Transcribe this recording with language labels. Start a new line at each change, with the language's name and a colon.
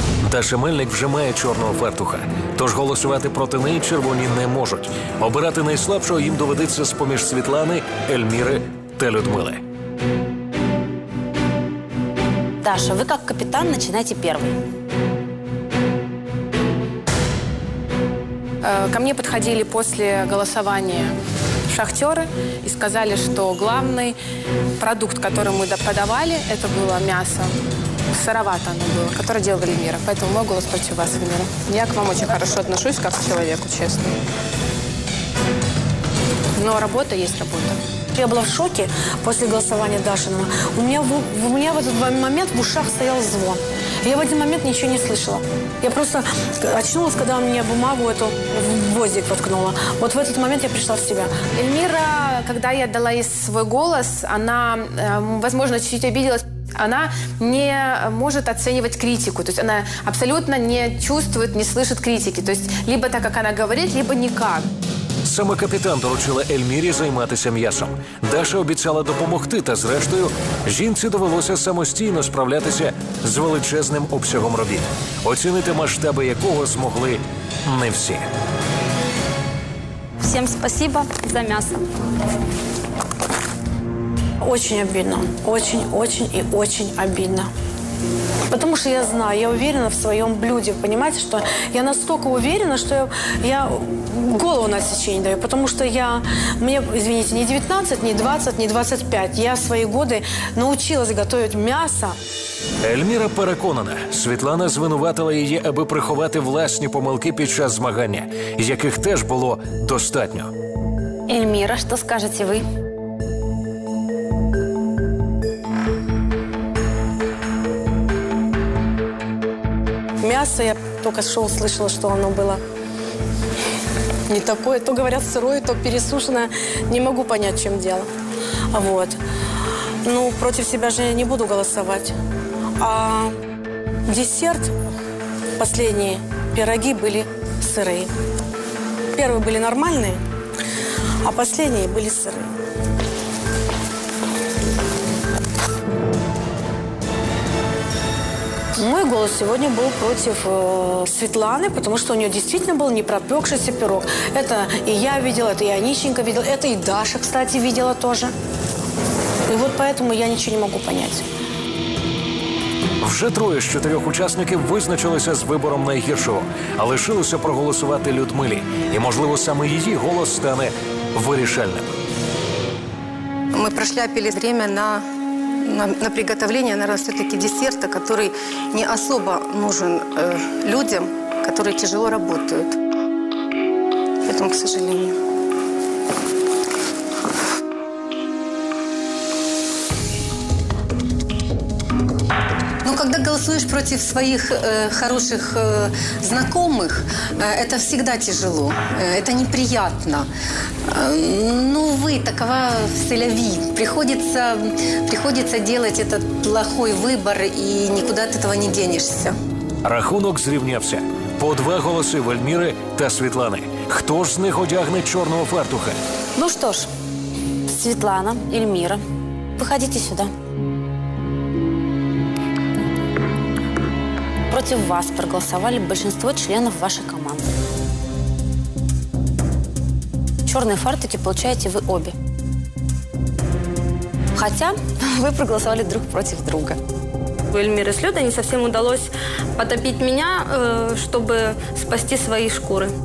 Ukrainian: Даша Мельник вже має чорного фартуха, тож голосувати проти неї червоні не можуть. Обирати найслабшого їм доведеться з-поміж Світлани, Ельміри та Людмили. Даша, ви як капітан, починайте перший.
Russian: Ко мне подходили после голосования шахтеры и сказали, что главный продукт, который мы подавали, это было мясо. Сыровато оно было, которое делали мира. Поэтому мой голос против вас, Венера. Я к вам очень хорошо отношусь, как к человеку, честно. Но работа есть работа. Я была в шоке после голосования Дашиного. У меня в этот момент в ушах стоял звон. Я в один момент ничего не слышала. Я просто очнулась, когда мне бумагу эту в гвоздик воткнула. Вот в этот момент я пришла в себя. Эльмира, когда я дала ей свой голос, она, возможно, чуть-чуть обиделась. Она не может оценивать критику. То есть она абсолютно не чувствует, не слышит критики. То есть либо так, как она говорит, либо никак.
Ukrainian: Саме капітан доручила Ельмірі займатися м'ясом. Даша обіцяла допомогти, та зрештою жінці довелося самостійно справлятися з величезним обсягом робіт, оцінити масштаби якого змогли не всі. Всім спасибо за м'ясо.
Russian: Очень обидно. Очень-очень і очень обидно. Потому что я знаю, я уверена в своем блюде, понимаете, что я настолько уверена, что я голову на сечение даю, потому что я, мне, извините, не 19, не 20, не 25, я в свои годы научилась готовить мясо.
Ukrainian: Ельмира переконана, Світлана звинуватила її, аби приховати власні помилки під час змагання, яких теж було достатньо. Ельмира, що скажете ви?
Russian: Мясо, я только что услышала, что оно было не такое. То говорят сырое, то пересушенное. Не могу понять, в чем дело. Вот. Ну, против себя же я не буду голосовать. А десерт последние пироги были сырые. Первые были нормальные, а последние были сырые. Мой голос сегодня был против Светланы, потому что у нее действительно был непропекшийся пирог. Это и я видела, это и Онищенко видела, это и Даша, кстати, видела тоже.
Ukrainian: І от тому я нічого не можу зрозуміти. Вже троє з чотирьох учасників визначилися з вибором найгіршого, а лишилося проголосувати Людмилі. І, можливо, саме її голос стане вирішальним. Ми прошляпили час на приготовлення, на все-таки десерта, який
Russian: не особо нужен людям,
Ukrainian: які тяжело працюють. Тому,
Russian: к сожалению. Когда голосуешь против своих хороших знакомых, это всегда тяжело, это неприятно. Ну, увы, такова c'est la vie. Приходится делать этот плохой выбор, и никуда от этого не денешься.
Ukrainian: Рахунок зрівнявся. По два голоси Вальміри та Світлани. Хто ж з них одягне чорного фартуха? Ну що ж, Світлана, Ільміра, виходите сюди.
Russian: Против вас проголосовали большинство членов вашей команды. Черные фартуки получаете вы обе. Хотя вы проголосовали друг против друга. У Эльмиры с Людой не совсем удалось потопить меня, чтобы спасти свои шкуры.